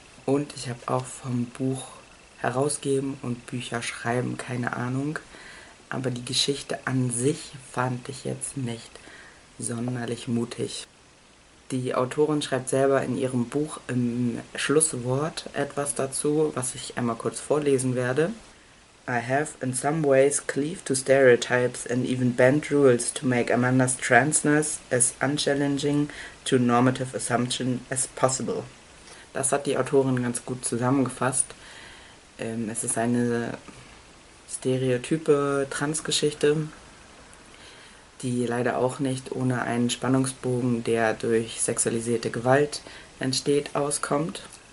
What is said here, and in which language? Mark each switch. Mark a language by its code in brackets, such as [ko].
[de] Und ich habe auch vom Buch herausgeben und Bücher schreiben keine Ahnung. Aber die Geschichte an sich fand ich jetzt nicht sonderlich mutig. Die Autorin schreibt selber in ihrem Buch im Schlusswort etwas dazu, was ich einmal kurz vorlesen werde. [en] I have in some ways cleaved to stereotypes and even bent rules to make Amanda's transness as unchallenging to normative assumption as possible. [de] Das hat die Autorin ganz gut zusammengefasst. Es ist eine stereotype Transgeschichte, die leider auch nicht ohne einen Spannungsbogen, der durch sexualisierte Gewalt entsteht, auskommt.